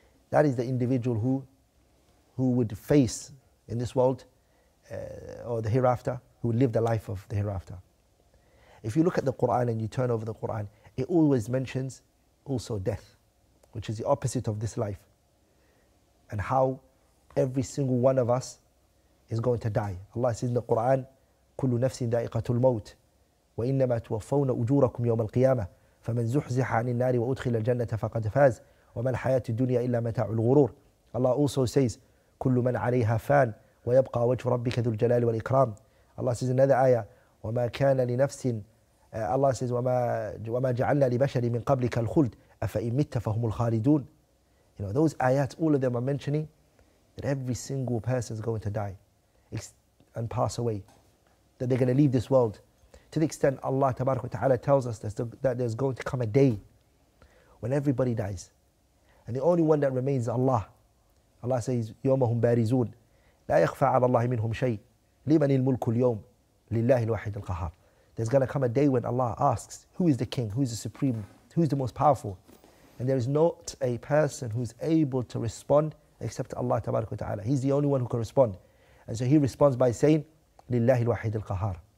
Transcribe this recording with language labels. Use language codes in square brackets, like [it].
[en] That is the individual who would face in this world or the hereafter, who will live the life of the hereafter. If you look at the Quran and you turn over the Quran, it always mentions also death, which is the opposite of this life, and how every single one of us is going to die. Allah says in the Quran, [ar] كل نفس ذائقة الموت وإنما توفون أجوركم يوم القيامة فمن زحزح عن النار وأدخل الجنة فقد فاز وما الحياة الدنيا إلا متاع الغرور. [en] Allah also says, [ar] كل من عليها فان ويبقى وجه ربك ذو الجلال والإكرام. [en] Allah says another ayah, [ar] وما كان لنفس, Allah says, وما جعلنا لبشر من قبلك الخلد أفإن مت فهم الخالدون. [en] You know, those ayats, all of them are mentioning that every single person is going to die and pass away, that they're going to leave this world. To the extent Allah tabarak wa ta'ala tells us that there's going to come a day when everybody dies, and the only one that remains is Allah. Allah says, [ar] يومهم بارزون لا يخفى على الله منهم شيء لمن الملك اليوم لله الواحد القهار. [en] There's going to come a day when Allah asks, who is the king, who is the supreme, who is the most powerful, and there is not a person who is able to respond except Allah tabarak wa ta'ala. He's the only one who can respond, and so he responds by saying, [ar] لله الواحد القهار.